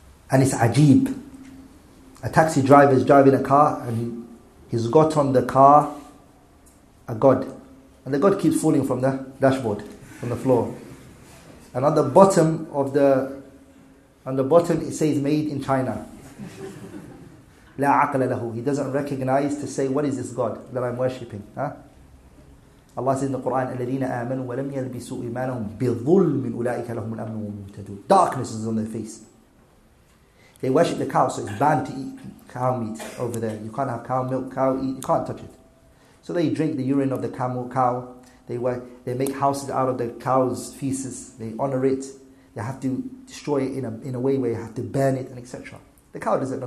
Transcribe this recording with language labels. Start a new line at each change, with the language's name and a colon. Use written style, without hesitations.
English: And it's ajeeb. A taxi driver is driving a car and he's got on the car a god. And the god keeps falling from the dashboard, from the floor. And on the bottom of the, on the bottom it says made in China.
Arabic: لا عقل له.
English: He doesn't recognize to say, what is this God that I'm worshipping? Allah says in the Quran,
Arabic: الَّذِينَ آمَنُوا وَلَمْ يَلْبِسُوا إِيمَانَهُمْ بِظُلْمٍ أُولَٰئِكَ لَهُمُ الْأَمْنُ وَهُمْ مُهْتَدُونَ.
English: Darkness is on their face. They worship the cow, so it's banned to eat cow meat over there. You can't have cow milk, cow eat, you can't touch it. So they drink the urine of the camel cow. They make houses out of the cow's feces. They honor it. They have to destroy it in a way where you have to burn it, and etc. The cow doesn't know.